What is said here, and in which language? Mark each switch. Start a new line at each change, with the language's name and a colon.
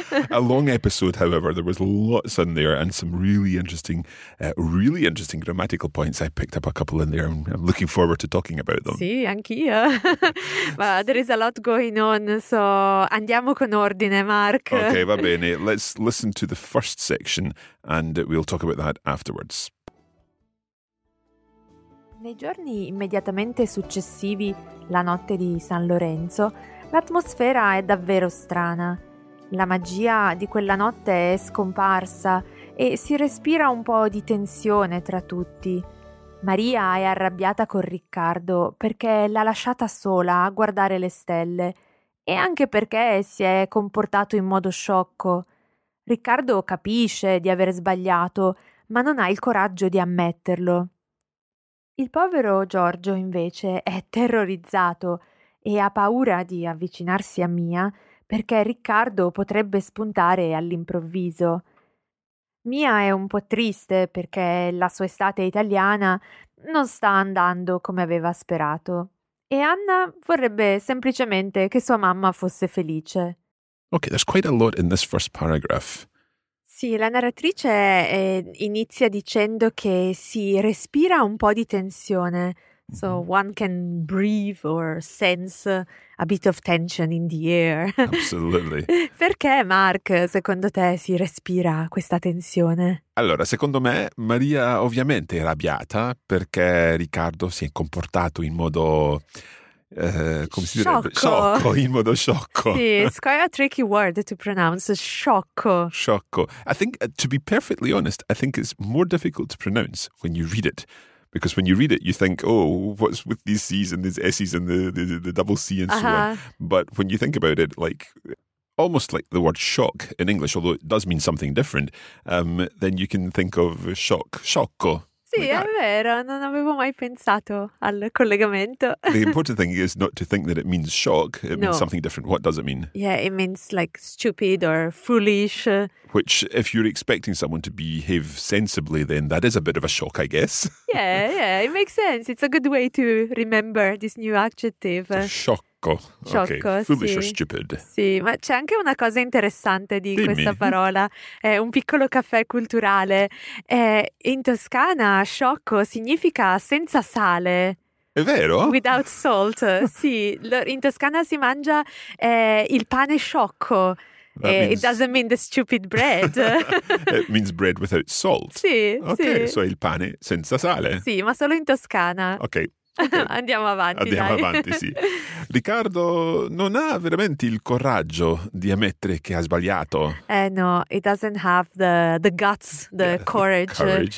English: A long episode, however, there was lots in there and some really interesting grammatical points. I picked up a couple in there. I'm looking forward to talking about them.
Italian: Sì, anch'io.
English: But there is a lot going on, so
Italian: andiamo con ordine,
English: Mark.
Italian: Okay, va bene.
English: Let's listen to the first section and we'll talk about that afterwards.
Italian: Nei giorni immediatamente successivi la notte di San Lorenzo, l'atmosfera è davvero strana. La magia di quella notte è scomparsa e si respira un po' di tensione tra tutti. Maria è arrabbiata con Riccardo perché l'ha lasciata sola a guardare le stelle e anche perché si è comportato in modo sciocco. Riccardo capisce di aver sbagliato, ma non ha il coraggio di ammetterlo. Il povero Giorgio, invece, è terrorizzato e ha paura di avvicinarsi a Mia perché Riccardo potrebbe spuntare all'improvviso. Mia è un po' triste perché la sua estate italiana non sta andando come aveva sperato e Anna vorrebbe semplicemente che sua mamma fosse felice.
English: Ok, there's quite a lot in this first paragraph.
Italian: Sì, la narratrice inizia dicendo che si respira un po' di tensione.
English: So one can breathe or sense a bit of tension in the air. Absolutely.
Italian: Perché, Mark, secondo te si respira questa tensione? Allora, secondo me, Maria ovviamente è arrabbiata perché Riccardo si è comportato in modo... come si sciocco. Direbbe? Sciocco, in modo sciocco.
English: Sì, it's quite a tricky word to pronounce, sciocco.
Italian: Sciocco.
English: I think, to be perfectly honest, I think it's more difficult to pronounce when you read it. Because when you read it, you think, oh, what's with these C's and these S's and the double C and so on. But when you think about it, like, almost like the word shock in English, although it does mean something different, then you can think of shock, sciocco.
Italian: Sì, è vero, non avevo mai pensato al collegamento.
English: The important thing is not to think that it means shock, it no. means something different. What does it mean? Yeah, it means like stupid or foolish. Which, if you're expecting someone to behave sensibly, then that is a bit of a shock, I guess. Yeah, yeah, it makes sense. It's a good way to remember this new adjective.
Italian: Sciocco. Sciocco,
English: okay.
Italian: Sì.
English: Foolish or stupid.
Italian: Sì, ma c'è anche una cosa interessante di Dimmi. Questa parola. È un piccolo caffè culturale. In Toscana, sciocco significa senza sale. È vero?
English: Without salt,
Italian: sì. In Toscana si mangia il pane sciocco.
English: It doesn't mean the stupid bread. It means bread without salt.
Italian: Sì,
English: okay,
Italian: Ok, so il pane senza sale. Sì, ma solo in Toscana.
English: Ok. Okay.
Italian: Andiamo avanti, Andiamo dai. Avanti, sì. Riccardo non ha veramente il coraggio di ammettere che ha sbagliato.
English: No, he doesn't have the guts, the courage